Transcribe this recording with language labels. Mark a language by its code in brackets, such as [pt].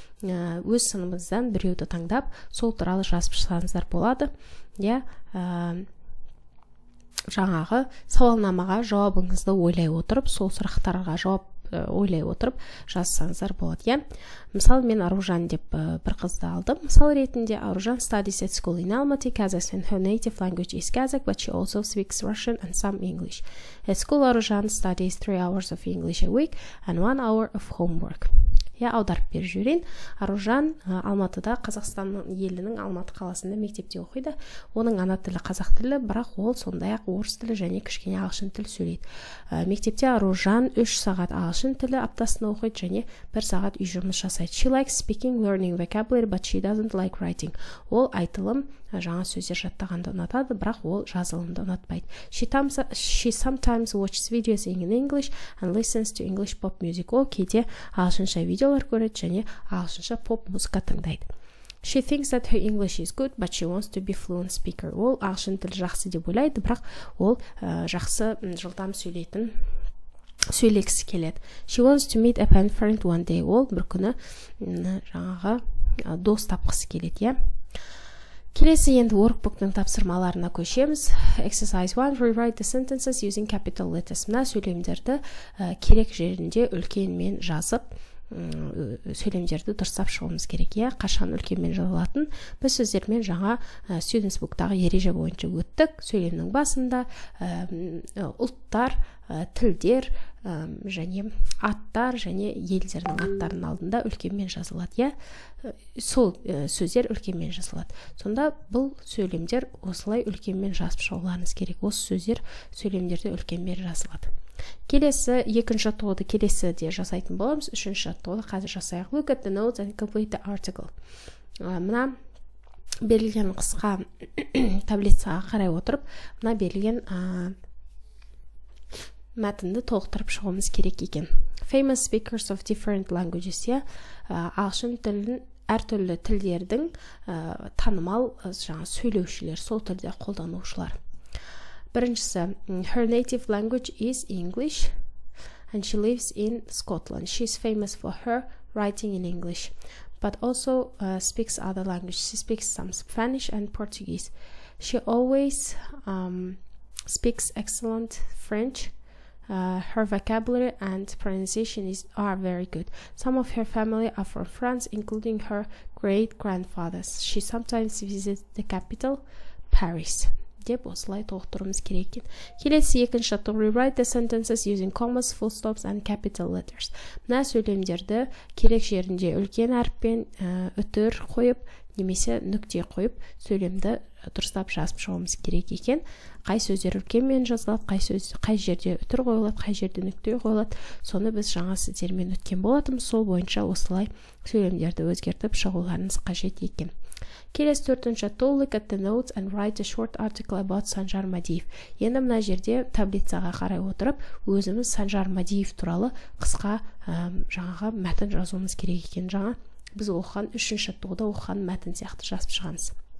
[kk] Өз сыныбыңыздан біреуді таңдап сол туралы жазып шықсаңыздар болады. Иә, жаңағы сауалнамаға жауабыңызды ойлай отырып, сол сұрақтарға жауап ойлай отырып жазсаңыздар болады, иә. Мысалы, мен Аружан деп бір қызды алдым. Мысал ретінде, [en] Аружан studies at school in Almaty, Kazakhstan. Her native language is Kazakh, but she also speaks Russian and some English. At school, Аружан studies 3 hours of English a week and 1 hour of homework. [kk] Иә, аударып беріп жіберейін. Аружан Алматыда, Қазақстан елінің Алматы қаласында мектепте оқиды. Оның ана тілі қазақ тілі, бірақ ол сондай-ақ орыс тілі және кішкене ағылшын тілі сөйлейді. Мектепте Аружан 3 сағат ағылшын тілі аптасына оқиды және 1 сағат үй жұмыс жасайды. [en] She likes speaking, learning vocabulary, but she doesn't like writing. [kk] Ол айтылым жаңа сөздер жаттағанды ұнатады, бірақ ол жазылымды ұнатпайды. [en] She sometimes watches videos in English and listens to English pop music. [kk] Ол кейде ағылшынша видеолар көреді және ағылшынша поп музыка тыңдайды. [en] She thinks that her English is good, but she wants to be fluent speaker. [kk] Ол ағылшын тілі жақсы деп ойлайды, бірақ ол жақсы жылдам сөйлейтін сөйлегісі келеді. [en] She wants to meet a pen friend one day. [kk] Ол бір күні жаңағы дос тапқысы келеді, иә. Келесі енді workbook-тың тапсырмаларына көшеміз. [en] Exercise 1. Rewrite the sentences using capital letters. [kk] Мына сөйлемдерді керек жерінде үлкенмен жазып, сөйлемдерді дұрыстап шығуымыз керек, иә. Қашан үлкенмен жазылатын? Біз сіздермен жаңа Students Book-тағы ереже бойынша өттік. Сөйлемнің басында ұлттар, тілдер, және аттар және елдердің аттарын алдында үлкенмен жазылады, иә, сол сөздер үлкенмен жазылады. Сонда бұл сөйлемдер осылай үлкенмен жазып шығуларыңыз керек. Осы сөздер сөйлемдерде үлкенмен жазылады. Келесі екінші жаттығуды келесі де жасайтын боламыз. Үшінші жаттығуды қазір жасайық. [en] Look at the notes and complete the article. [kk] Мына берілген қысқа таблицаға қарай отырып, мына берілген мәтінді толықтырып шығуымыз керек екен. [en] Famous speakers of different languages, [kk] иә, ағылшын тілін әртүрлі тілдердің танымал жаңа сөйлеушілер, сол тілде қолданушылар. Біріншісі, [en] her native language is English and she lives in Scotland. She is famous for her writing in English, but also speaks other languages. She speaks some Spanish and Portuguese. She always speaks excellent French. Her vocabulary and pronunciation are very good. Some of her family are from France, including her great-grandfathers. She sometimes visits the capital, Paris. [kk] Деп осылай толықтыруымыз керек екен. Келесі екінші жаттығу, [en] rewrite the sentences using commas, full stops and capital letters. [kk] Мына сөйлемдерді керек жерінде үлкен әріппен үтір қойып, немесе нүкте қойып сөйлемді дұрыстап жазып шығуымыз керек екен. Қай сөздер үлкенмен жазылады, қай сөз қай жерде үтір қойылады, қай жерде нүкте қойылады, соны біз жаңа сіздермен өткен болатынбыз. Сол бойынша осылай сөйлемдерді өзгертіп шығуларыңыз қажет екен. Келесі төртінші, [en] to look at the notes and write a short article about Sanjar Madiev. [kk] Енді мына жерде таблицаға қарай отырып, өзіміз Sanjar Madiev туралы қысқа жаңағы мәтін жазуымыз керек екен. Жаңа біз оқыған үшінші жаттығуда оқыған мәтін сияқты жазып шығамыз.